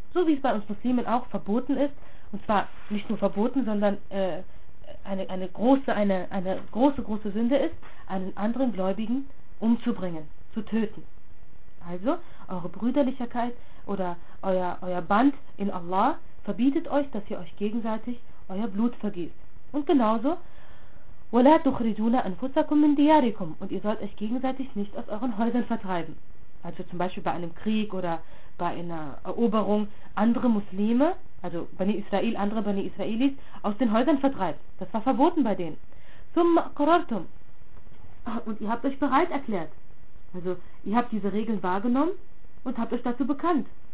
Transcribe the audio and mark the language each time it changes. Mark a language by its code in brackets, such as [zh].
[de] So wie es bei uns Muslimen auch verboten ist, und zwar nicht nur verboten, sondern eine große Sünde ist, einen anderen Gläubigen umzubringen, zu töten. Also, eure Brüderlichkeit oder euer Band in Allah verbietet euch, dass ihr euch gegenseitig euer Blut vergießt. Und genauso, [ar] وَلَا تُخْرِجُونَ أَنفُسَكُمْ مِنْ دِيَارِكُمْ. [de] Und ihr sollt euch gegenseitig nicht aus euren Häusern vertreiben. Also zum Beispiel bei einem Krieg oder bei einer Eroberung andere Muslime, also Bani Israel, andere Bani Israelis, aus den Häusern vertreibt. Das war verboten bei denen. [ar] ثُمَّ قَرَرْتُمْ. [de] Und ihr habt euch bereit erklärt. Also ihr habt diese Regeln wahrgenommen und habt euch dazu bekannt.